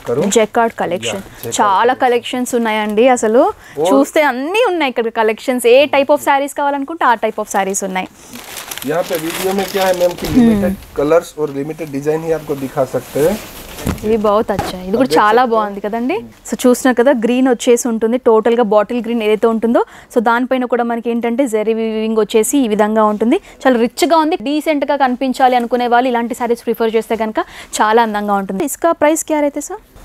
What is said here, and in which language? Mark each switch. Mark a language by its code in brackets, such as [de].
[te] Jacquard collection చాలా collections ఉన్నాయండి. అసలు చూస్తే అన్ని ఉన్నాయి ఇక్కడ collections. ఏ type of saris కావాలనుకుంటే ఆ టైప్ ఆఫ్ సారీస్ ఉన్నాయి. [hi] यहाँ पे वीडियो में क्या है मैम कि लिमिटेड कलर्स और लिमिटेड डिजाइन ही आपको दिखा सकते हैं. [te] ఇది బాగుంది, అచ్చా ఇది కూడా చాలా బాగుంది కదండి. సో చూసినా కదా గ్రీన్ వచ్చేసి ఉంటుంది, టోటల్గా బాటిల్ గ్రీన్ ఏదైతే ఉంటుందో. సో దానిపైన కూడా మనకి ఏంటంటే జెరీ వీవింగ్ వచ్చేసి ఈ విధంగా ఉంటుంది. చాలా రిచ్గా ఉంది, డీసెంట్గా కనిపించాలి అనుకునే వాళ్ళు ఇలాంటి సారీస్ ప్రిఫర్ చేస్తే కనుక చాలా అందంగా ఉంటుంది. ఇసుక ప్రైస్ క్యార్ అయితే సార్